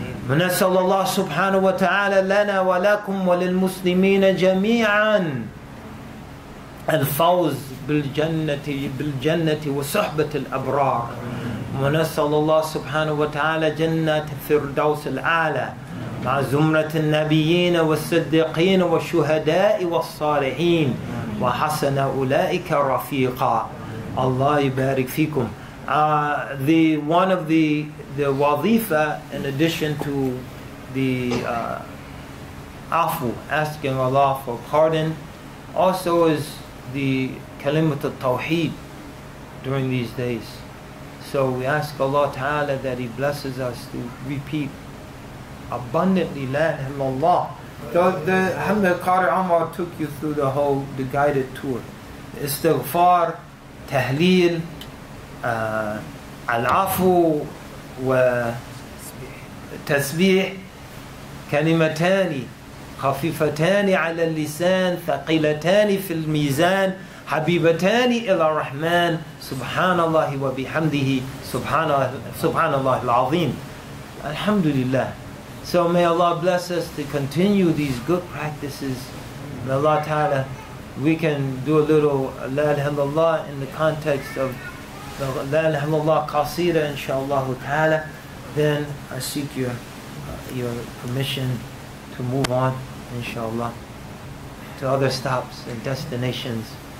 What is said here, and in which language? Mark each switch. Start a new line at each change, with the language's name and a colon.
Arabic: نسأل الله سبحانه وتعالى لنا ولكم وللمسلمين جميعا الفوز بالجنة وصحبة الأبرار. ونسأل الله سبحانه وتعالى جنة الفردوس الأعلى مع زمرة النبيين والصديقين والشهداء والصالحين وحسن أولئك رفيقا. الله يبارك فيكم.
English: One of the وظيفة, in addition to the عفو, asking Allah for pardon, also is the kalimat al-tawheed during these days. So we ask Allah Ta'ala that He blesses us to repeat abundantly La ilaha illallah. The Hamdul Qari Omar took you through the whole, the guided tour.
Arabic: Istighfar, tahleel, al-afu, wa tasbih, kalimatani خفيفتان على اللسان ثقيلتان في الميزان حبيبتان إلى الرحمن سبحان الله وبحمده سبحان الله العظيم الحمد لله.
English: So may Allah bless us to continue these good practices. May Allah Ta'ala, we can do a little La ilaha illallah in the context of
Arabic: La ilaha illallah qasira inshaAllah Ta'ala.
English: Then I seek your permission to move on inshallah to other stops and destinations.